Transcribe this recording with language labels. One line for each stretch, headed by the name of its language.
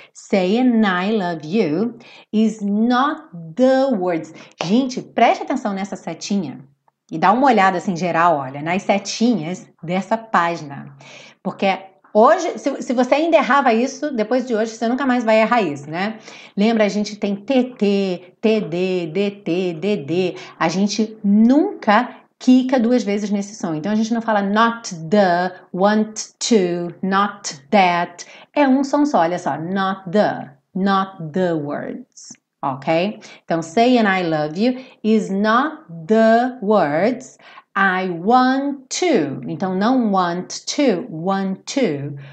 English: Saying I love you is not the words.
Portuguese: Gente, preste atenção nessa setinha e dá uma olhada assim geral, olha, nas setinhas dessa página. Porque hoje, se você ainda errava isso, depois de hoje você nunca mais vai errar isso, né? Lembra, a gente tem TT, TD, DT, DD. A gente nunca quica duas vezes nesse som. Então a gente não fala
English: not the, want to, not that.
Portuguese: É um som só, olha só.
English: Not the words.
Portuguese: Ok? Então,
English: saying I love you is not the words. I want to.
Portuguese: Então, não
English: want to, want to.